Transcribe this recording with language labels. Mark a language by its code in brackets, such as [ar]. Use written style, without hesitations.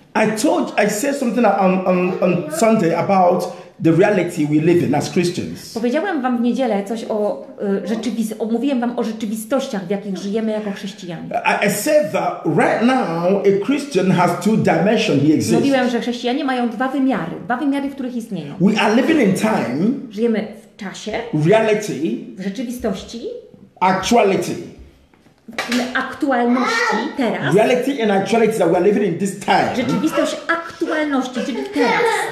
[en] I said something on Sunday about the reality we live in as Christians. [pl] Powiedziałam wam w niedzielę coś o mówiłem wam o rzeczywistościach, w jakich żyjemy jako chrześcijanie. [en] I said that right now a Christian has two dimensions he exists. [pl] Mówiłem, że chrześcijanie mają dwa wymiary, w których istnieją. [en] We are living in time. [pl] Żyjemy w czasie. [en] Reality. [pl] W rzeczywistości. [en] Actuality. [pl] Aktualności teraz. [en] Reality and actuality that we are living in this time. [pl] Rzeczywistość aktualności, czyli teraz.